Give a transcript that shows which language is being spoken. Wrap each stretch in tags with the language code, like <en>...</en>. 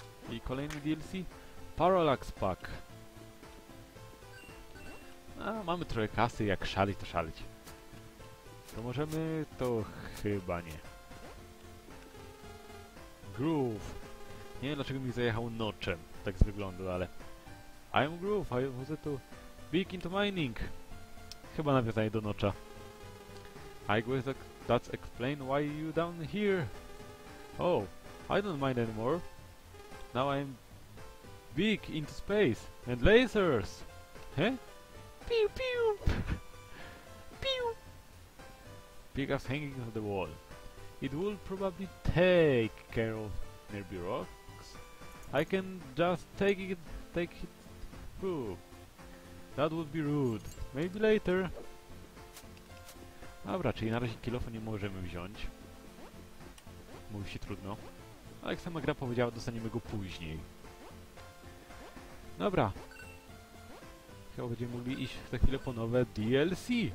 <pl>I kolejny DLC. Parallax Pack. A, mamy trochę kasy, jak szalić, to szalić. To możemy... to chyba nie. Groove. Nie wiem, dlaczego mi zajechał noczem, tak z wyglądu, ale...</pl> <en>I am Groove, I was to big into mining.</en> <pl>Chyba nawiązanie do nocza.</pl> <en>I guess that's explain why you down here. Oh, I don't mind anymore. Now I'm big into space and lasers. Huh? Pew pew. Pew. Pickaxe hanging on the wall. It will probably take care of nearby rocks. I can just take it through. That would be rude. Maybe later.</en> <pl>Dobra, czyli na razie kilofon nie możemy wziąć. Mówi się trudno. Ale jak sama gra powiedziała, dostaniemy go później. Dobra. Chyba będziemy mogli iść za chwilę po nowe DLC.</pl>